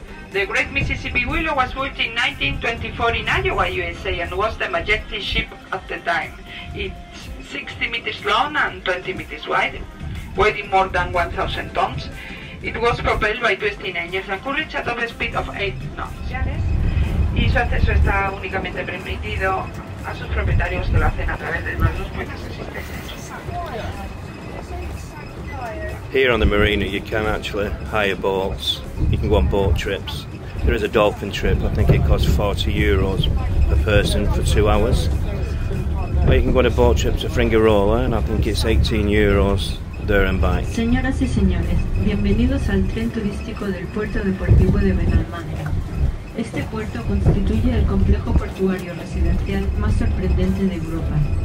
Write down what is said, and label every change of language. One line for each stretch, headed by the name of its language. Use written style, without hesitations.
English: The Great Mississippi Willow was built in 1924 in Iowa, USA, and was the majestic ship at the time. It's 60 meters long and 20 meters wide, weighing more than 1,000 tons. It was propelled by 20 engines and could reach a top speed of 8 knots.
Spanish: Y su acceso está únicamente permitido a sus propietarios que lo hacen a través de los puentes existentes.
English: Here on the marina, you can actually hire boats. You can go on boat trips. There is a dolphin trip, I think it costs €40 per person for 2 hours. Or you can go on a boat trip to Fringarola and I think it's €18 there and back.
Spanish: Señoras y señores, bienvenidos al tren turístico del puerto deportivo de Benalmadena. Este puerto constituye el complejo portuario residencial más sorprendente de Europa.